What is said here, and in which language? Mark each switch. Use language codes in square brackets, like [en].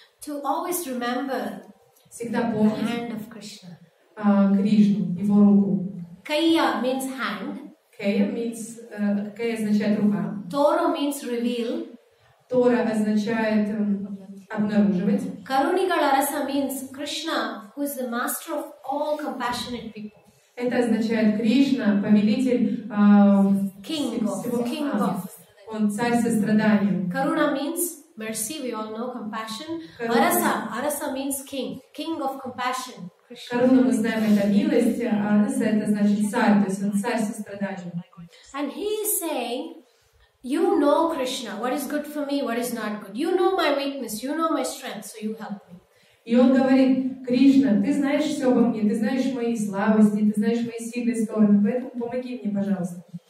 [en] To always remember. [ru] Всегда помнить. [en] The hand of Krishna. [ru] Кришну, его руку. [en] Kaya means hand. [ru] Kaya означает рука. [en] Toro means reveal. [ru] Тора означает обнаруживать. [en] Karunigalarasa means Krishna, who is the master of all compassionate people. [ru] Это означает Кришна, повелитель [en] King of. [ru] Он царь сострадания. [en] Karuna means mercy, we all know, compassion. Arasa means king, king of compassion. [ru] Karuna, мы знаем, это милость, Arasa это значит царь, то есть он царь сострадания. [en] And he is saying, you know Krishna, what is good for me, what is not good. You know my weakness, you know my strength, so you help me. [ru] И он говорит, Кришна, ты знаешь все обо мне, ты знаешь мои слабости, ты знаешь мои сильные стороны, поэтому помоги мне, пожалуйста.